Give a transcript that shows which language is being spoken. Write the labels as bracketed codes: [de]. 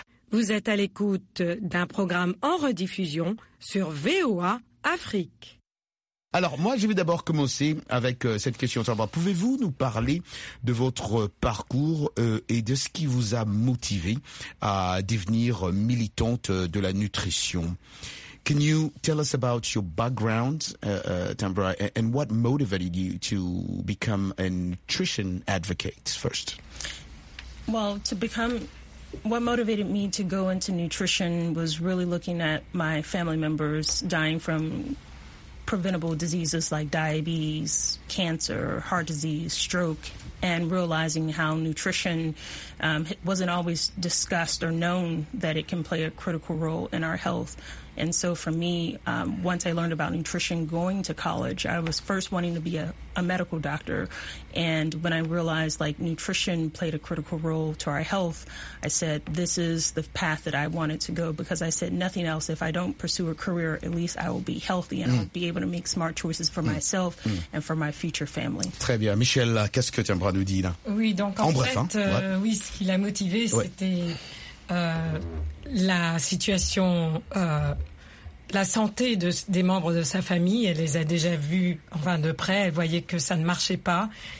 [fr] Vous êtes à l'écoute d'un programme en rediffusion sur VOA Afrique. Alors, moi, je vais d'abord commencer avec cette question. Pouvez-vous nous parler de votre parcours et de ce qui vous a motivé à devenir militante de la nutrition? [en] Can you tell us about your background, Tambra, and what motivated you to become a nutrition advocate first? Well, to become, what motivated me to go into nutrition was really looking at my family members dying from preventable diseases like diabetes, cancer, heart disease, stroke, and realizing how nutrition wasn't always discussed or known that it can play a critical role in our health. And so for me, once I learned about nutrition going to college, I was first wanting to be a medical doctor. And when I realized like nutrition played a critical role to our health, I said, this is the path that I wanted to go, because I said nothing else. If I don't pursue a career, at least I will be healthy and I'll be able to make smart choices for myself and for my future family. [fr] Très bien. Michel, qu'est-ce que Tambra nous dit là? Oui, donc en fait, ce qui l'a motivé, c'était... la situation, la santé des membres de sa famille, elle les a déjà vus enfin de près, elle voyait que ça ne marchait pas.